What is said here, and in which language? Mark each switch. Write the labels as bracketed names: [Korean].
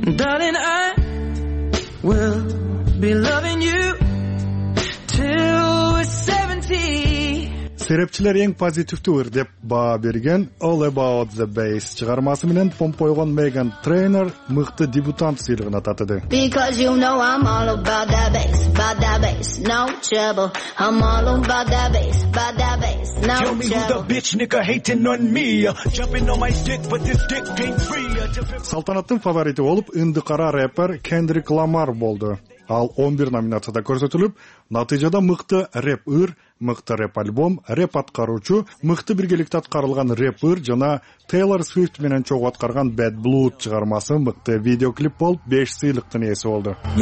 [English] Darling, I will be loving you till we're 70. [Kyrgyz] Серепчилер эң позитивдүү ыр деп баа берген All About The Bass чыгармасы менен помпойгон Меган Трейнер мыкты дебютант сыйлыгын ататыды. [English] Because you know I'm all about that bass, about that bass, no trouble. I'm all about that bass, about that bass, no trouble. Tell me who the bitch nigga hating on me, jumping on my dick but this dick ain't free. [Kyrgyz] Салтанаттын фавориту болуп ынды кара рэпер Кендрик Ламар болду. Ал 11 номинацияда көрсөтүлүп, натыйжада мыкты рэп ыр, мыкты рэп альбом, рэп аткаруучу, мыкты биргеликте аткарылган рэп ыр жана Тейлор Свифт менен чогуу аткарган Bad Blood чыгармасы мыкты видеоклип болуп 5 сыйлыктын ээси болду.